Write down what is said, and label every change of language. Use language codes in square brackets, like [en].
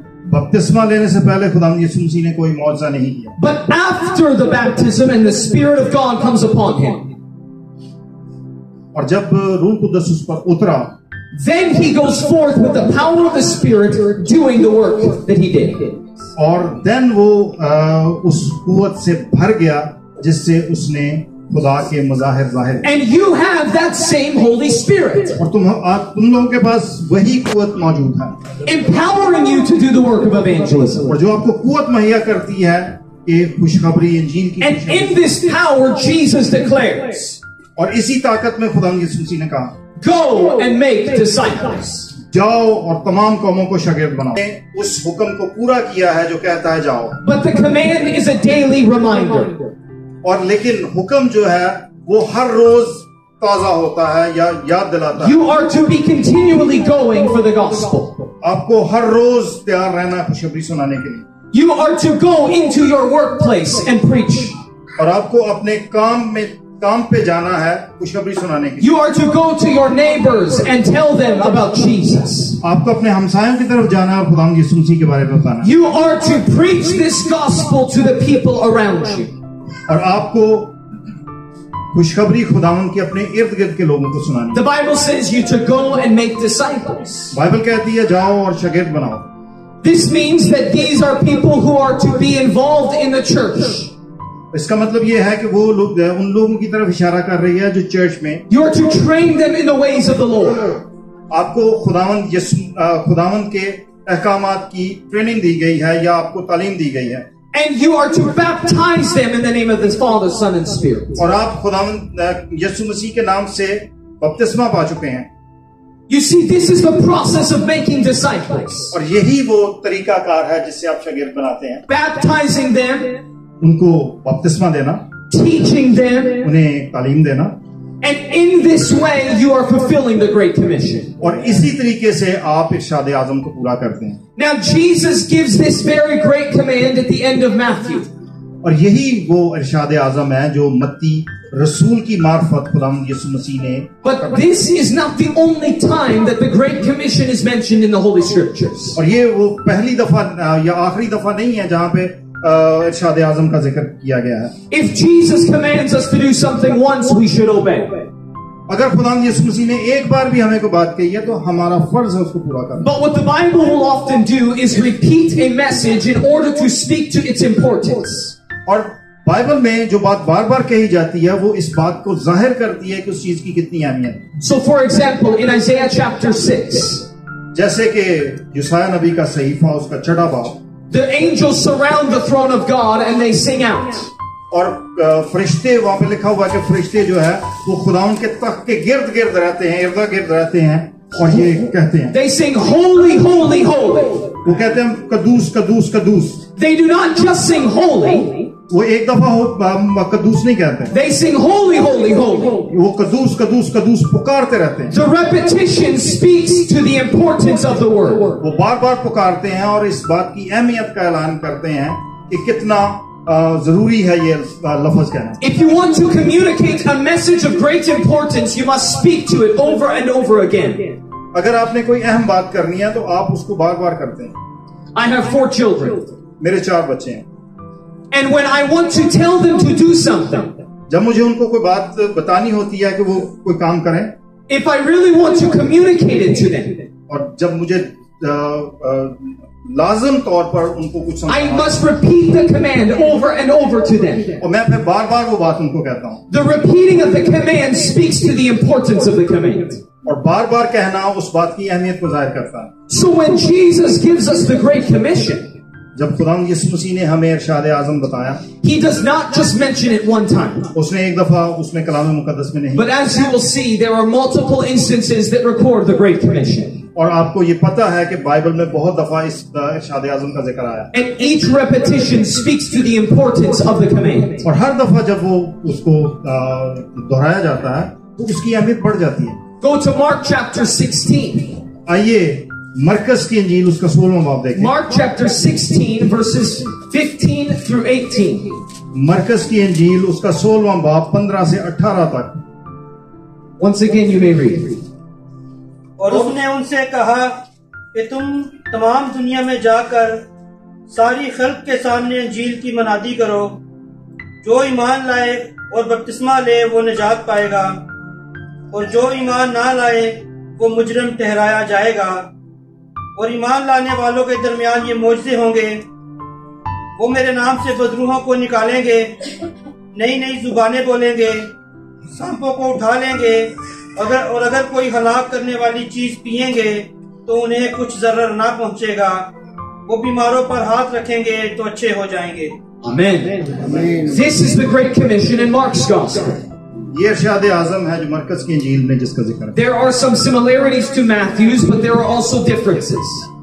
[ur] بپتسمہ لینے سے پہلے خداوند یسوع مسیح نے کوئی معجزہ نہیں کیا. [en] But after the baptism and the Spirit of God comes upon him. [ur] اور جب روح القدس اس پر اترا. [en] Then he goes forth with the power of the Spirit doing the work that he did. [ur] اور دین وہ اس قوت سے بھر گیا جس سے اس نے خدا کے مظاہر ظاہر. [en] And you have that same Holy Spirit. [ur] اور تم لوگوں کے پاس وہی قوت موجود ہے. [en] Empowering you to do the work of evangelism. [ur] اور جو آپ کو قوت مہیا کرتی ہے کہ خوشخبری انجیل کی. [en] And in this power Jesus declares. [ur] اور اسی طاقت میں خدا یسوع مسیح نے کہا. [en] Go and make disciples. [ur] جاؤ اور تمام قوموں کو شاگرد بناؤ. اس حکم کو پورا کیا ہے جو کہتا ہے جاؤ. [en] But the command is a daily reminder. [ur] اور لیکن حکم جو ہے وہ ہر روز تازہ ہوتا ہے یا یاد دلاتا ہے. [en] You are to be continually going for the gospel. [ur] آپ کو ہر روز تیار رہنا ہے خوشخبری سنانے کے لیے. [en] You are to go into your workplace and preach. [ur] اور آپ کو اپنے کام پہ جانا ہے خوشخبری سنانے کے. [en] You are to go to your neighbors and tell them about Jesus. [ur] آپ کو اپنے ہمسایوں کی طرف جانا ہے اور خداوند یسوع مسیح کے بارے میں بتانا. [en] You are to preach this gospel to the people around you. [ur] اور آپ کو خوشخبری خداوند کی اپنے ارد گرد کے لوگوں کو سنانی. [en] The Bible says you to go and make disciples. [ur] Bible کہتی ہے جاؤ اور شاگرد بناؤ. [en] This means that these are people who are to be involved in the church. [ur] اس کا مطلب یہ ہے کہ وہ لوگ ان لوگوں کی طرف اشارہ کر رہی ہے جو چرچ میں. [en] You are to train them in the ways of the Lord. [ur] آپ کو خداوند کے احکامات کی ٹریننگ دی گئی ہے یا آپ کو تعلیم دی گئی ہے. [en] And you are to baptize them in the name of the Father, Son and Spirit. [ur] اور آپ خداوند یسوع مسیح کے نام سے بپتسمہ پا چکے ہیں. [en] You see, this is the process of making disciples. [ur] اور یہی وہ طریقہ کار ہے جس سے آپ شاگرد بناتے ہیں. [en] Baptizing them. [ur] ان کو بپتسمہ دینا. [en] Teaching them. [ur] انہیں تعلیم دینا. [en] And in this way you are fulfilling the great commission. [ur] اور اسی طریقے سے آپ ارشاد اعظم کو پورا کرتے ہیں. [en] Now Jesus gives this very great command at the end of Matthew. [ur] اور یہی وہ ارشاد اعظم ہے جو متی رسول کی معرفت خداوند یسوع مسیح نے. [en] But this is not the only time that the great commission is mentioned in the holy scriptures. [ur] اور یہ وہ پہلی دفعہ یا آخری دفعہ نہیں ہے جہاں پہ ارشاد اعظم کا ذکر کیا گیا ہے. [en] If Jesus commands us to do something once, we should obey. [ur] اگر خداوند یسوع مسیح نے ایک بار بھی ہمیں کوئی بات کہی ہے تو ہمارا فرض ہے اس کو پورا کرنا. [en] But what the Bible will often do is repeat a message in order to speak to its importance. [ur] اور بائبل میں جو بات بار بار کہی جاتی ہے وہ اس بات کو ظاہر کرتی ہے کہ اس چیز کی کتنی اہمیت ہے. [en] So for example, in Isaiah chapter 6. [ur] جیسے کہ یسعیاہ نبی کا صحیفہ اس کا چڑھا باب [en] The angels surround the throne of God and they sing out. [ur] اور فرشتے وہاں پہ لکھا ہوا ہے کہ فرشتے جو ہے وہ خداوند کے تخت کے گرد گرد رہتے ہیں ارد گرد رہتے ہیں اور یہ کہتے ہیں [en] They sing holy holy holy. [ur] وہ کہتے ہیں قدوس قدوس قدوس [en] They do not just sing holy. [ur] وہ ایک دفعہ قدوس نہیں کہتے [en] They sing holy holy holy. [ur] وہ قدوس قدوس قدوس پکارتے رہتے ہیں [en] The repetition speaks to the importance of the word. [ur] وہ بار بار پکارتے ہیں اور اس بات کی اہمیت کا اعلان کرتے ہیں کہ کتنا ضروری ہے یہ لفظ کہنا [en] If you want to communicate a message of great importance you must speak to it over and over again. [ur] اگر آپ نے کوئی اہم بات کرنی ہے تو آپ اس کو بار بار کرتے ہیں [en] I have four children. [ur] میرے چار بچے ہیں [en] And when I want to tell them to do something, [ur] جب مجھے ان کو کوئی بات بتانی ہوتی ہے کہ وہ کوئی کام کریں [en] If I really want to communicate it to them, [ur] اور جب مجھے لازم طور پر ان کو کچھ [en] I must repeat the command over and over to them. [ur] اور میں پھر بار بار وہ بات ان کو کہتا ہوں [en] The repeating of the command speaks to the importance of the command. [ur] اور بار بار کہنا اس بات کی اہمیت کو ظاہر کرتا ہے [en] So when Jesus gives us the great commission, [ur] جب خداوند یسوع مسیح نے ہمیں ارشاد اعظم بتایا [en] He does not just mention it one time. [ur] اس نے ایک دفعہ اس میں کلام مقدس میں نہیں [en] But as you will see, there are multiple instances that record the Great Commission. [ur] اور آپ کو یہ پتہ ہے کہ بائبل میں بہت دفعہ اس ارشاد اعظم کا ذکر آیا [en] And each repetition speaks to the importance of the command. [ur] اور ہر دفعہ جب وہ اس کو دہرایا جاتا ہے تو اس کی اہمیت بڑھ جاتی ہے [en] Go to Mark chapter 16. [ur] آئیے مرکز کی انجیل اس کا 16 باب دیکھیں [en] Mark chapter 16 verses 15 through 18 [ur] مرکز کی انجیل اس کا 16 باب 15 سے 18 تک [en] once again you may read [ur] اور اس نے ان سے کہا کہ تم تمام دنیا میں جا کر ساری خلق کے سامنے انجیل کی منادی کرو جو ایمان لائے اور بپتسمہ لے وہ نجات پائے گا اور جو ایمان نہ لائے وہ مجرم ٹھہرایا جائے گا اور ایمان لانے والوں کے درمیان یہ معجزے ہوں گے وہ میرے نام سے بدروحوں کو نکالیں گے نئی نئی زبانیں بولیں گے سانپوں کو اٹھا لیں گے اگر کوئی ہلاک کرنے والی چیز پیئیں گے تو انہیں کچھ ضرر نہ پہنچے گا وہ بیماروں پر ہاتھ رکھیں گے تو اچھے ہو جائیں گے [en] آمین This is the Great Commission in Mark's Gospel [ur] یہ ارشاد اعظم ہے جو مرکز کی انجیل میں جس کا ذکر ہے [en] There are some similarities to Matthew's but there are also differences